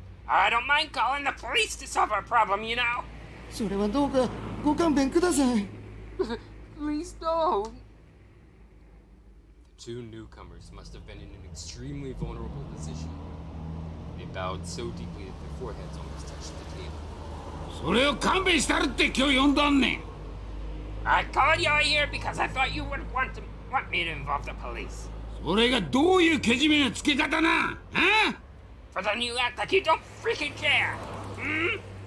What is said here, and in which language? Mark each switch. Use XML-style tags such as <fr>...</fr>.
<en>I don't mind calling the police to solve our problem, you know. Please don't. Two newcomers must have been in an extremely vulnerable position. They bowed so deeply that their foreheads almost touched the table.</en> <ja>それを勘弁したるって今日呼んだんねん!</ja> <en>I called you here because I thought you would want me to involve the police.</en> <ja>それがどういうけじめのつけ方な?</ja> <en>Huh? For then you act like you don't freaking care! Hmm?</en>